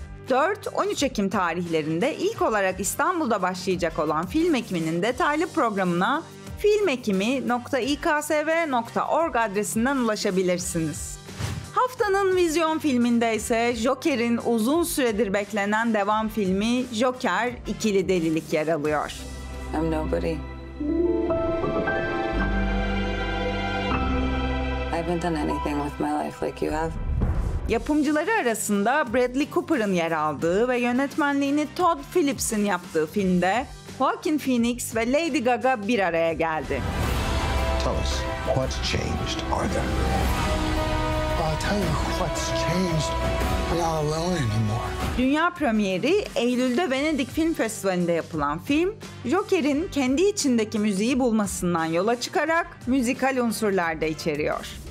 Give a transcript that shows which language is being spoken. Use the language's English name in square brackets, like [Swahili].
[Turkish] 4-13 Ekim tarihlerinde ilk olarak İstanbul'da başlayacak olan Film Ekimi'nin detaylı programına filmekimi.iksv.org adresinden ulaşabilirsiniz. Haftanın vizyon filminde ise Joker'in uzun süredir beklenen devam filmi Joker İkili Delilik yer alıyor. [English] I'm nobody. I haven't done anything with my life like you have. [Turkish] Yapımcıları arasında Bradley Cooper'ın yer aldığı ve yönetmenliğini Todd Phillips'in yaptığı filmde Joaquin Phoenix ve Lady Gaga bir araya geldi. [English] Tell us, what's changed, Arthur? I'll tell you what's changed. We're not alone anymore. [Turkish] Dünya premieri Eylül'de Venedik Film Festivali'nde yapılan film, Joker'in kendi içindeki müziği bulmasından yola çıkarak müzikal unsurlar da içeriyor.